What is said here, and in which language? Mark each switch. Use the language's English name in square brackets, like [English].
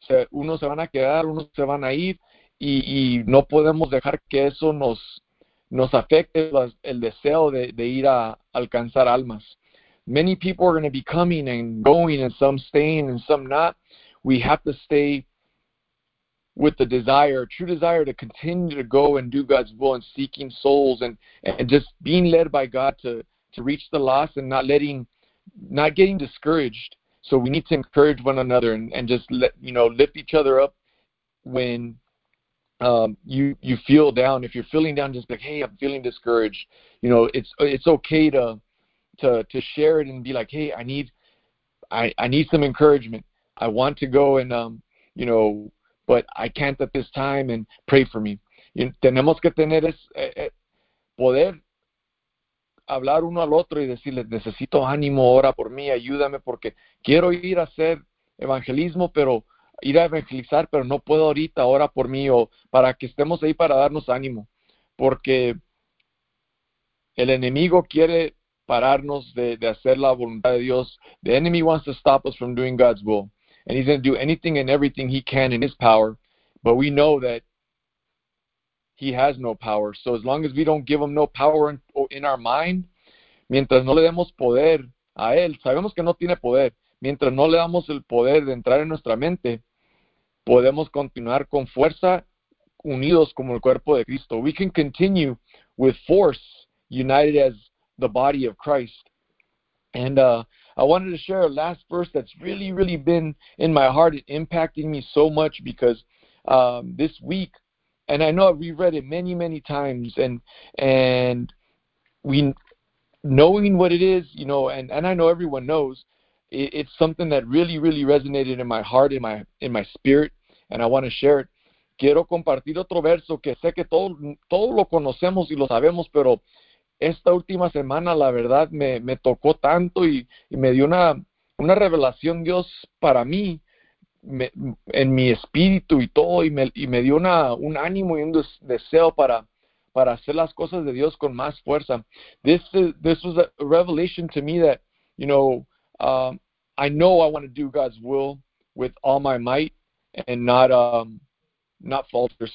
[Spanish] Unos se van a quedar, unos se van a ir, y no podemos dejar que eso nos afecte el deseo de ir a alcanzar almas. [English] Many people are going to be coming and going, and some staying and some not. We have to stay with the desire, true desire to continue to go and do God's will and seeking souls and just being led by God to reach the lost and not getting discouraged. So we need to encourage one another and just let, you know, lift each other up when you feel down. If you're feeling down, just be like, hey, I'm feeling discouraged. You know, it's okay to share it and be like, hey, I need some encouragement. I want to go and you know, but I can't at this time, and pray for me. [Spanish] Tenemos que tener es poder hablar uno al otro y decirles, necesito ánimo, ora por mí, ayúdame, porque quiero ir a hacer evangelismo, pero ir a evangelizar, pero no puedo ahorita, ora por mí, o para que estemos ahí para darnos ánimo, porque el enemigo quiere pararnos de hacer la voluntad de Dios. [English] The enemy wants to stop us from doing God's will. And he's going to do anything and everything he can in his power. But we know that he has no power. So as long as we don't give him no power in our mind, [Spanish] mientras no le demos poder a él, sabemos que no tiene poder. Mientras no le damos el poder de entrar en nuestra mente, podemos continuar con fuerza, unidos como el cuerpo de Cristo. [English] We can continue with force, united as the body of Christ. And I wanted to share a last verse that's really, really been in my heart and impacting me so much because this week, and I know we've read it many, many times, and we knowing what it is, you know, and I know everyone knows, it's something that really, really resonated in my heart, in my spirit, and I want to share it. [Spanish] Quiero compartir otro verso que sé que todos lo conocemos y lo sabemos, pero esta última semana, la verdad, me tocó tanto y me dio una revelación Dios para mí, en mi espíritu y todo, y me dio un ánimo y un deseo para hacer las cosas de Dios con más fuerza. [English] This was a revelation to me that, you know, I know I want to do God's will with all my might and not falter.